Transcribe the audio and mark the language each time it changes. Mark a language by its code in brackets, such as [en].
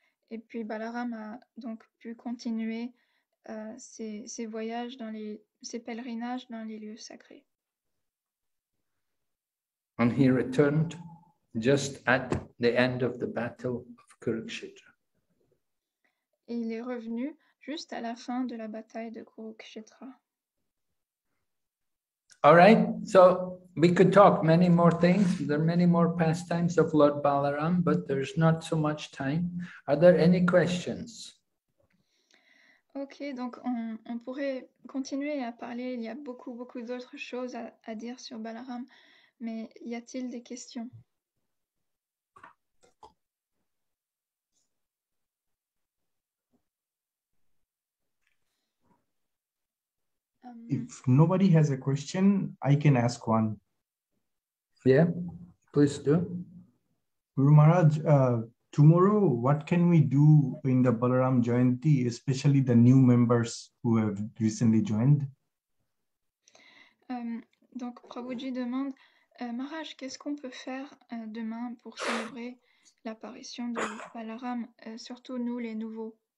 [fr] Et puis Balaram a donc pu continuer ses voyages dans les ses pèlerinages dans les lieux sacrés. [en] And he returned just at the end of the battle of Kurukshetra. [fr] Et il est revenu juste à la fin de la bataille de Kurukshetra. [en] All right, so we could talk many more things. There are many more pastimes of Lord Balaram, but there's not so much time. Are there any questions? [fr] Ok, donc on pourrait continuer à parler. Il y a beaucoup, beaucoup d'autres choses à dire sur Balaram, mais y a-t-il des questions? [en] If nobody has a question, I can ask one. Yeah, please do. Guru Maharaj, tomorrow, what can we do in the Balaram Jayanti, especially the new members who have recently joined? [fr] Donc, Prabhuji demande, Maharaj, qu'est-ce qu'on peut faire demain pour célébrer l'apparition de Balaram, surtout nous, les nouveaux?